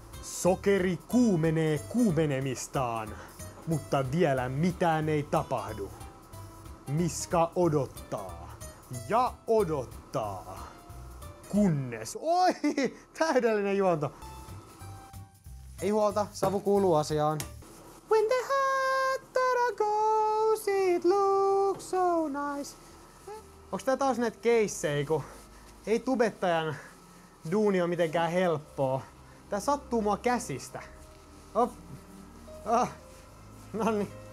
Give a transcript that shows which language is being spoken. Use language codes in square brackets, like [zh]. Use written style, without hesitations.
[fi] Sokeri kuumenee kuumenemistaan, mutta vielä mitään ei tapahdu. Miska odottaa. ja odottaa, kunnes... Oi, täydellinen juonto. Ei huolta, savu kuuluu asiaan. [en] When the hattara goes, it looks so nice. [fi] Onks tää taas näitä keissejä, kun ei tubettajan duuni on mitenkään helppoa. Tää sattuu mua käsistä. Op. Ah. Nonni.